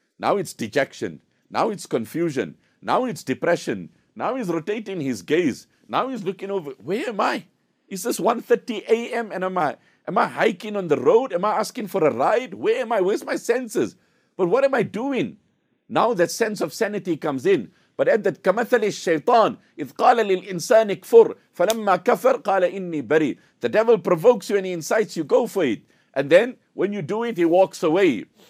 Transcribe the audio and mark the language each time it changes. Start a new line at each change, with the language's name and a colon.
English: Now it's dejection. Now it's confusion. Now it's depression. Now he's rotating his gaze. Now he's looking over, where am I? Is this 1:30 a.m. and am I hiking on the road? Am I asking for a ride? Where am I? Where's my senses? But what am I doing? Now that sense of sanity comes in. But at that
Arabic: kamathali shaytan, إِذْ قَالَ لِلْإِنسَانِ كْفُرْ فَلَمَّا كَفَرْ قَالَ إِنِّي بَرِي.
English: The devil provokes you and he incites you, go for it. And then when you do it, he walks away.